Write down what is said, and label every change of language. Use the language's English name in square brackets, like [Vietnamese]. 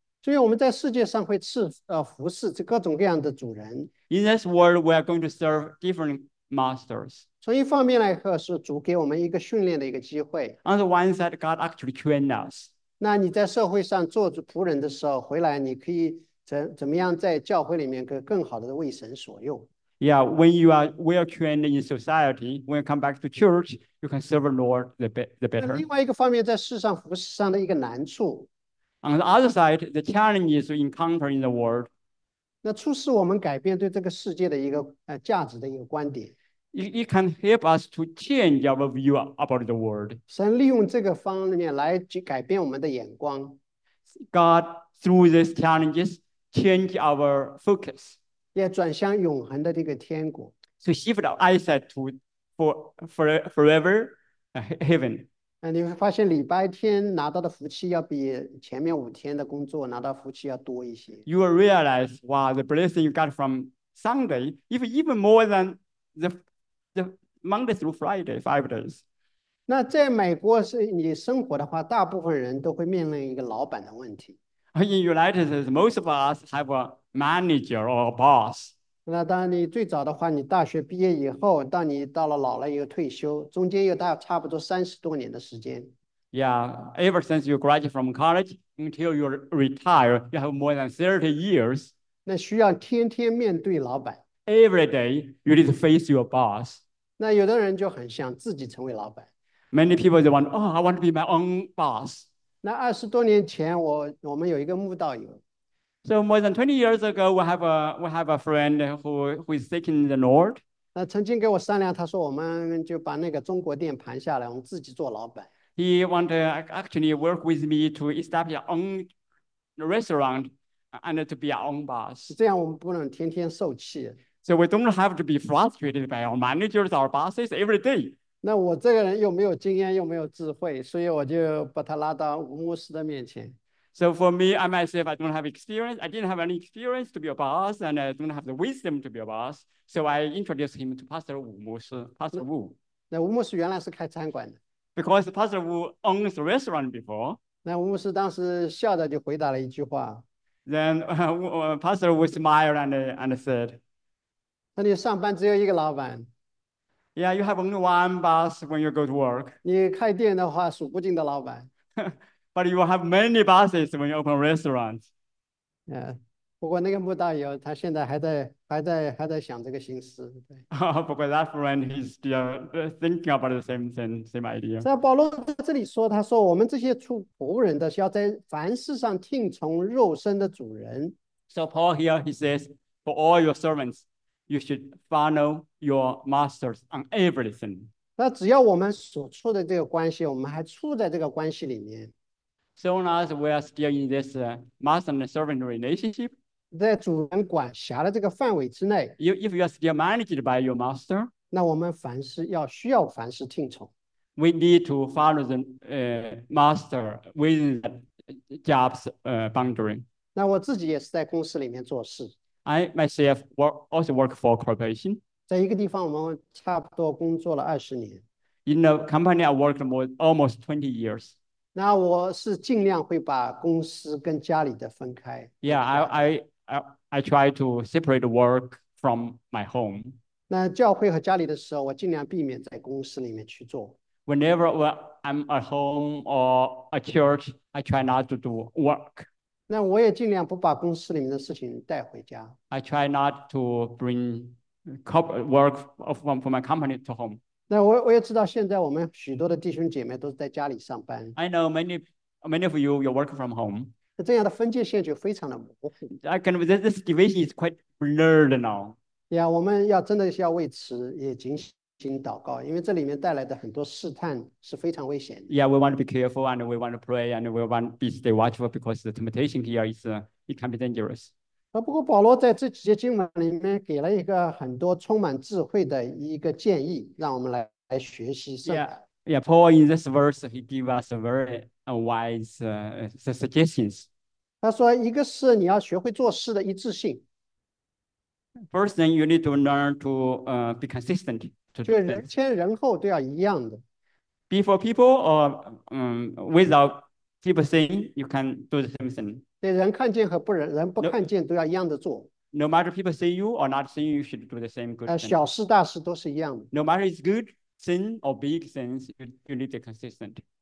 [Chinese] 所以我们在世界上会服侍这各种各样的主人。 [English] In this world, we are going to serve different masters. [Chinese] 从一方面来说，是主给我们一个训练的一个机会。 [English] On the one side, God actually trained us. [Chinese] 那你在社会上做仆人的时候，回来你可以怎么样在教会里面更好的为神所用。 [English] Yeah, when you are well trained in society, when you come back to church, you can serve the Lord the better. [Chinese] 另外一个方面，在世上服侍上的一个难处。 [English] On the other side, the challenge is encountering the world. [Chinese] 那促使我们改变对这个世界的一个价值的一个观点。 [English] It can help us to change our view about the world. [Chinese] 神利用这个方面来改变我们的眼光。 [English] God, through these challenges, change our focus. [Chinese] 也转向永恒的这个天国。 [English] So shift our eyesight to forever heaven. [Chinese] 那你会发现礼拜天拿到的福气要比前面五天的工作拿到福气要多一些。 [English] You will realize, wow, the blessing you got from Sunday, if even more than the Monday through Friday, 5 days. [Chinese] 那在美国你生活的话，大部分人都会面临一个老板的问题。 [English] In the United States, most of us have a manager or a boss. [Chinese] 那当你最早的话，你大学毕业以后，到你到了老了又退休，中间又大差不多30多年的时间。 [English] Yeah, ever since you graduate from college until you retire, you have more than 30 years. [Chinese] 那需要天天面对老板。 [English] Every day, you need to face your boss. [Chinese] 那有的人就很想自己成为老板。 [English] Many people, they want, oh, I want to be my own boss. [Chinese] 那20多年前，我们有一个慕道友。 [English] So more than 20 years ago, we have a friend who is seeking the Lord. [Chinese] 那曾经给我商量，他说我们就把那个中国店盘下来，我们自己做老板。 [English] He want to actually work with me to establish our own restaurant and to be our own boss. [Chinese] 这样我们不能天天受气。 [English] So we don't have to be frustrated by our managers, our bosses every day. [Chinese] 那我这个人又没有经验，又没有智慧，所以我就把他拉到吴牧师的面前。 [English] So for me, I myself, I don't have experience. I didn't have any experience to be a boss, and I don't have the wisdom to be a boss. So I introduced him to Pastor Wu, Pastor Wu. [Chinese] 那吴牧师原来是开餐馆的。 [English] Because Pastor Wu owns a restaurant before. [Chinese] 那吴牧师当时笑着就回答了一句话。 [English] Then Pastor Wu smiled and said, [Chinese] 那你上班只有一个老板。 [English] Yeah, you have only one boss when you go to work. [Chinese] 你开店的话，数不尽的老板。 [English] But you will have many bosses when you open restaurants. [Chinese] Yeah, 不过那个穆大友，他现在还在想这个心思。不过 [English] that friend is still thinking about the same idea. [Chinese] 在保罗在这里说，他说我们这些仆人的，要在凡事上听从肉身的主人。 [English] So Paul here, he says, for all your servants, you should follow your masters on everything. [Chinese] 那只要我们所处的这个关系，我们还处在这个关系里面。 [English] So now we are still in this master and servant relationship. [Chinese] 在主人管辖的这个范围之内。 [English] If you are still managed by your master, [Chinese] 那我们凡事要需要凡事听从。 [English] We need to follow the master within the job's boundary. [Chinese] 那我自己也是在公司里面做事。 [English] I myself also work for a corporation. [Chinese] 在一个地方，我们差不多工作了20年。 [English] In a company, I worked more, almost 20 years. [Chinese] 那我是尽量会把公司跟家里的分开。 [English] Yeah, I try to separate work from my home. [Chinese] 那教会和家里的时候，我尽量避免在公司里面去做。 [English] Whenever I'm at home or a church, I try not to do work. [Chinese] 那我也尽量不把公司里面的事情带回家。 [English] I try not to bring corporate work from my company to home. [Chinese] 那 我也知道现在我们许多的弟兄姐妹都在家里上班。 [English] I know many of you work from home. [Chinese] 那这样的分界线就非常的模糊。 [English] This division is quite blurred now. [Chinese] Yeah, 我们要真的要为此也警醒。请祷告，因为这里面带来的很多试探是非常危险的。 [English] Yeah, we want to be careful, and we want to pray, and we want to stay watchful because the temptation here is it can be dangerous. [Chinese] 不过保罗在这几节经文里面给了一个很多充满智慧的一个建议，让我们来学习圣感。 [English] Yeah, Paul in this verse he give us a very wise suggestions. [Chinese] 他说，一个是你要学会做事的一致性。 [English] First thing you need to learn to be consistent. [Chinese] 就人前人后都要一样的。 [English] Before people or without people saying, you can do the same thing. [Chinese] 对人看见和不人人不看见都要一样的做。 [English] No matter people say you or not saying, you should do the same good thing. [Chinese] 小事大事都是一样的。 [English] No matter it's good sin or big sins, you need to be consistent.